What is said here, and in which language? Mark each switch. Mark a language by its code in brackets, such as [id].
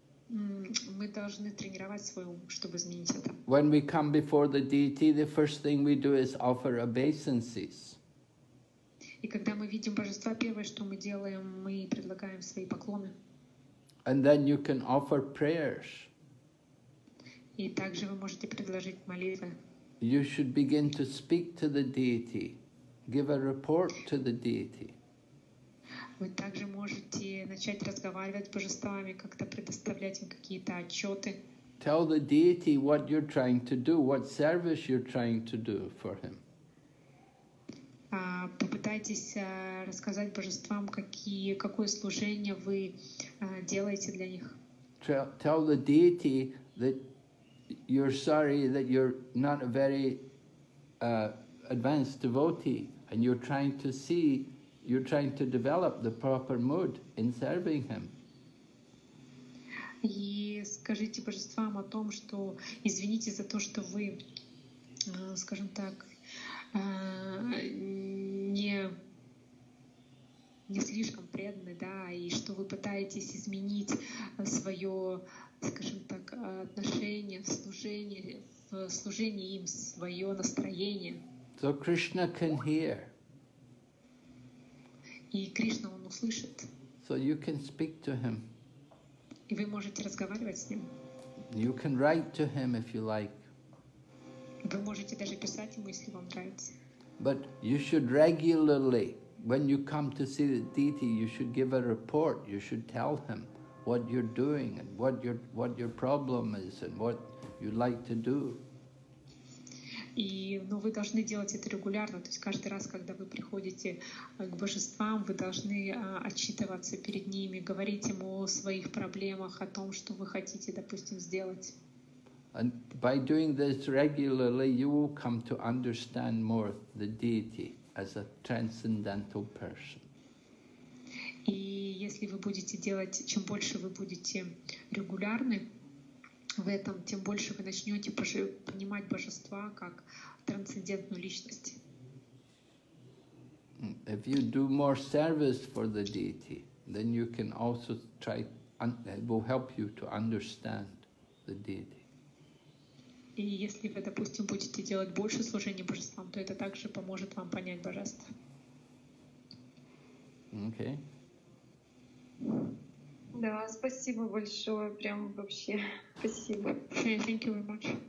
[ru] Мы должны тренировать свой ум, чтобы изменить это. [en] When we come before the deity, the first thing we do is offer obeisances. [ru] И когда мы видим божества, первое, что мы делаем, мы предлагаем свои поклоны. [en] And then you can offer prayers. [ru] И также вы можете предложить молитвы. [en] You should begin to speak to the deity, give a report to the deity. [ru] Вы также можете начать разговаривать с божествами, как-то предоставлять им какие-то отчеты. [en] Tell the deity what you're trying to do, what service you're trying to do for him. [ru] Попытайтесь рассказать божествам, какое служение вы делаете для них. [en] Tell the deity that you're sorry that you're not a very advanced devotee, and you're trying to develop the proper mood in serving him. [ru] И скажите божествам о том, что извините за то, что вы, скажем так, не слишком преданы, да, и что вы пытаетесь изменить свое, скажем так, отношение, служение им, свое настроение. [en] So Krishna can hear. [ru] И Кришна, он услышит. [en] So you can speak to him. [ru] И вы можете разговаривать с ним. [en] You can write to him if you like. [ru] Вы можете даже писать ему, если вам нравится. [en] But you should regularly, when you come to see the deity, you should give a report, you should tell him what you're doing and what your problem is and what you'd like to do. [ru] И, ну, вы должны делать это регулярно, то есть каждый раз, когда вы приходите к божествам, вы должны отчитываться перед ними, говорить ему о своих проблемах, о том, что вы хотите, допустим, сделать. [en] And by doing this regularly, you will come to understand more the deity as a transcendental person. [ru] И если вы будете делать, чем больше вы будете регулярны в этом, тем больше вы начнете понимать божества как трансцендентную личность. [en] If you do more service for the deity, then you can also try, it will help you to understand the deity. [ru] И если вы, допустим, будете делать больше служения божествам, то это также поможет вам понять божество. [en] Okay. [ru] Да, спасибо большое, прям вообще, спасибо. [en] Okay, thank you very much.